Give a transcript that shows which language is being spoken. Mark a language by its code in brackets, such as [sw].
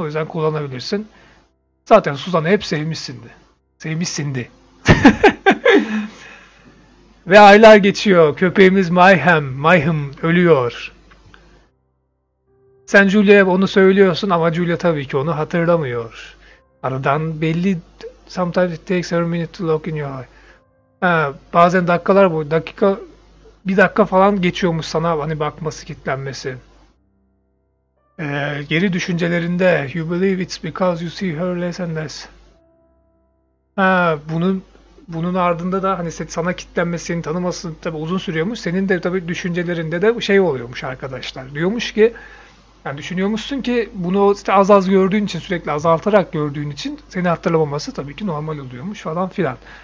[tr] O yüzden kullanabilirsin. Zaten Suzan'ı hep sevmişsindi. Sevmişsindi. Ve aylar geçiyor. Köpeğimiz Mayhem ölüyor. Sen Julia'ya onu söylüyorsun ama Julia tabii ki onu hatırlamıyor. Aradan belli... [en] Sometimes it takes a minute to look in your eye. [tr] Ha, bazen dakikalar boyu, dakika, bir dakika falan geçiyormuş sana hani bakması, kilitlenmesi. Geri düşüncelerinde, [en] you believe it's because you see her less and less. [tr] Ha, bunun ardında da hani sana kilitlenmesi, seni tanımasın tabi uzun sürüyormuş. Senin de tabi düşüncelerinde de şey oluyormuş arkadaşlar. Diyormuş ki, yani düşünüyormuşsun ki bunu işte az az gördüğün için, sürekli azaltarak gördüğün için seni hatırlamaması tabii ki normal oluyormuş falan filan.